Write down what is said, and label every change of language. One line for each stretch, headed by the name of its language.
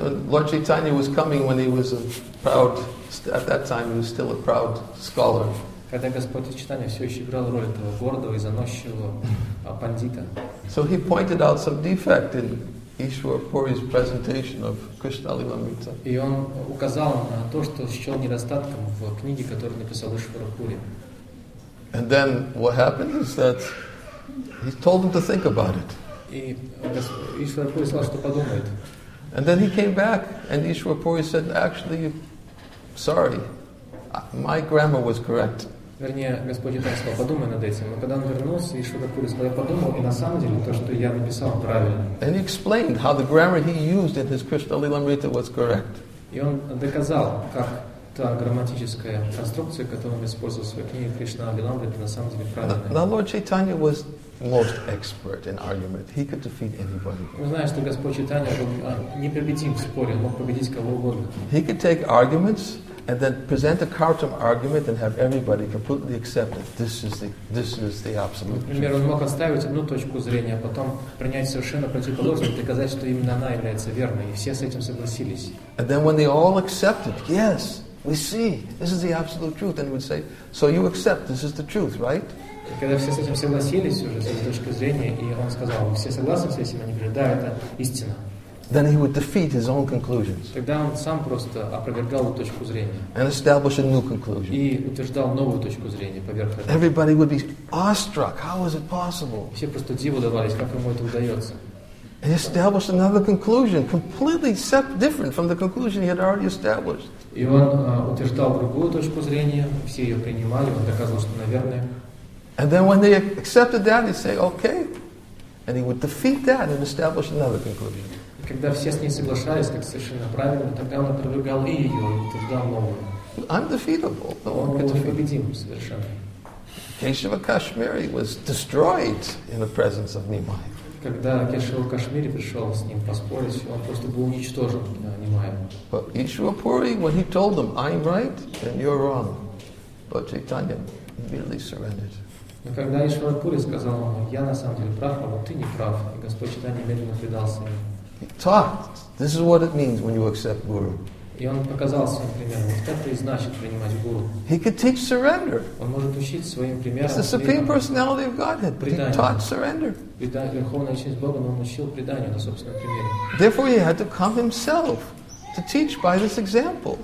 English: Lord Chaitanya was coming when he was a proud, at that time he was still a proud scholar.
Russian: Когда Господь Чайтанья все еще играл роль этого гордого и заносчивого пандита.
English: So he pointed out some defect in Ishwarapuri's presentation of Krishna Lilamrita.
Russian: И он указал на то, что счел недостатком в книге, которую написал Ишварапури.
English: And then what happened is that he told him to think about it.
Russian: И Ишварапури сказал, что подумает.
English: And then he came back and Ishwarapuri said, actually, sorry, my grammar was correct.
Russian: Вернее, Господь Чайтанья сказал, подумай над этим. Но когда он вернулся, Ишварапури сказал, я подумал, и на самом деле то, что я написал, правильно.
English: And he explained how the grammar he used in his Krishna Lilamrita was correct.
Russian: И он доказал, как та грамматическая конструкция, которую он использовал в своей книге Krishna Lilamrita, на самом деле правильная.
English: Now Lord Chaitanya was most expert in argument. He could defeat anybody.
Russian: Мы знаем, что Господь Чайтанья был непобедим в споре, мог победить кого угодно.
English: He could take arguments and then present a counter argument and have everybody completely accept it. This is the absolute truth.
Russian: Например, он мог отстаивать одну точку зрения, а потом принять совершенно противоположную и доказать, что именно она является верной, и все с этим согласились.
English: And then when they all accepted, yes, we see, this is the absolute truth, and would say, so you accept this is the truth, right?
Russian: И когда все с этим согласились уже с этой точки зрения, и он сказал, все согласны с этим, они говорят, да, это истина.
English: Then he would defeat his own conclusions.
Russian: Тогда он сам просто опровергал эту точку зрения.
English: And establish a new conclusion.
Russian: И утверждал новую точку зрения поверх этого.
English: Everybody would be awestruck. How is it possible?
Russian: Все просто диву давались, как ему это удается.
English: And establish another conclusion, completely different from the conclusion he had already established.
Russian: И он утверждал другую точку зрения, все ее принимали, он доказывал, что наверное.
English: And then when they accepted that, he'd say, okay. And he would defeat that and establish another conclusion.
Russian: Когда все с ней соглашались, как совершенно правильно, тогда он отвергал и ее, и утверждал новую.
English: I'm defeatable. No one can defeat.
Russian: Непобедим совершенно.
English: Кешава Кашмири was destroyed in the presence of Нимая.
Russian: Когда Кешава Кашмири пришел с ним поспорить, он просто был уничтожен Нимая.
English: But Ишварапури, when he told them, I'm right and you're wrong, but Чайтанья immediately surrendered.
Russian: Но когда Ишварапури сказал ему, я на самом деле прав, а вот ты не прав, и Господь Чайтанья немедленно предался ему.
English: He taught. This is what it means when you accept Guru.
Russian: И он показал своим примером, что это и значит принимать Гуру.
English: He could teach surrender.
Russian: Он может учить своим примером.
English: It's the Supreme Personality of Godhead.
Russian: Предание.
English: He taught surrender.
Russian: Предание, верховная личность Бога, но он учил преданию на собственном примере.
English: Therefore, he had to come himself to teach by this example.